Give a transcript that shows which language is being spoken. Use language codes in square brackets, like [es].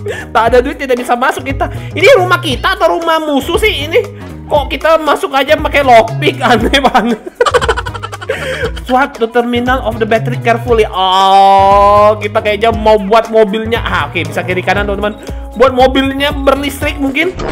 [id] Tak ada duit tidak bisa masuk kita. Ini rumah kita atau rumah musuh sih ini? Kok kita masuk aja pakai lockpick? Aneh banget. [en] Swap the terminal of the battery carefully. [id] Oh, kita kayaknya mau buat mobilnya. Ah, oke, bisa kiri kanan, teman-teman. Buat mobilnya berlistrik mungkin.